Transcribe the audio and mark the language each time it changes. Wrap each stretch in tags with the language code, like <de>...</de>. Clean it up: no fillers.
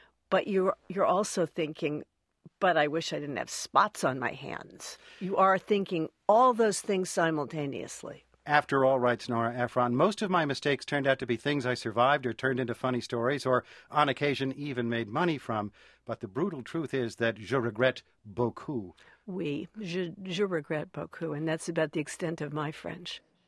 <en>But you're also thinking, but I wish I didn't have spots on my hands. You are thinking all those things simultaneously. After all, writes Nora Ephron, most of my mistakes turned out to be things I survived or turned into funny stories or on occasion even made money from. But the brutal truth is that</en> <fr>je regrette beaucoup. Oui, je regrette beaucoup.</fr> <en>And that's about the extent of my French.</en>